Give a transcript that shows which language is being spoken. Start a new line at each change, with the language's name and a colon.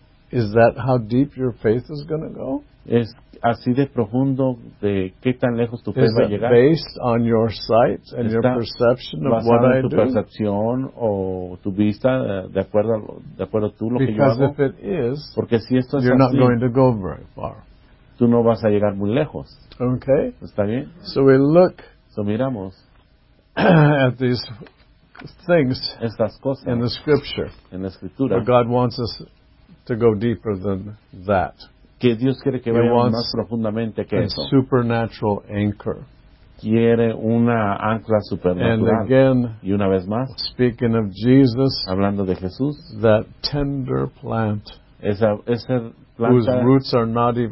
English: is that how deep your faith is going to go?
Spanish: Es así de profundo de qué tan lejos tu fe va a llegar.
English: Based on your sight and your perception of what I do.
Spanish: Basado en tu percepción o tu vista de acuerdo a tú lo que yo hago.
English: Because if it is,
Spanish: porque si esto es
English: you're
Spanish: así,
English: not going to go very far.
Spanish: Tú no vas a llegar muy lejos.
English: Okay.
Spanish: Está bien.
English: So we look.
Spanish: So miramos
English: at these things
Spanish: estas cosas
English: in the scripture.
Spanish: En la escritura.
English: But God wants us to go deeper than that.
Spanish: Que Dios quiere que veamos más profundamente que eso.
English: Supernatural anchor.
Spanish: Quiere una ancla supernatural.
English: And again,
Spanish: y una vez más,
English: speaking of Jesus,
Spanish: hablando de Jesús,
English: that tender plant,
Spanish: esa planta
English: whose roots are not even